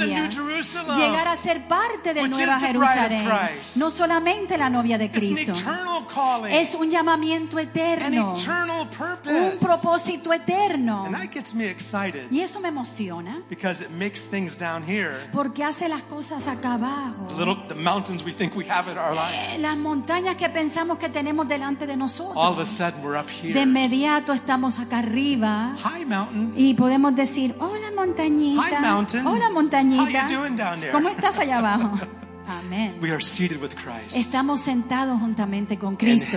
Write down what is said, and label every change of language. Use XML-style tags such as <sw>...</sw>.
<es>novia, llegar a ser parte de</es> <en>which</en> <es>Nueva Jerusalén, no solamente la novia de Cristo, es un llamamiento eterno, un propósito eterno, y eso me emociona,</es> <en>it makes things down here,</en> <es>porque hace las cosas acá abajo,</es> <en>the mountains we think we have in our life.</en> <es>Las montañas que pensamos que tenemos delante de nosotros,</es> <en>all of a sudden we're up here.</en> <es>De inmediato estamos acá arriba,</es> <en>high mountain.</en> <es>Y podemos decir, hola.</es> <en>Hi, mountain.</en> <es>Hola montañita.</es> <en>How are you doing down there?</en> <es>¿Cómo estás allá abajo? Amen.</es> <en>We are seated with Christ.</en> <es>Estamos sentados juntamente con Cristo.</es>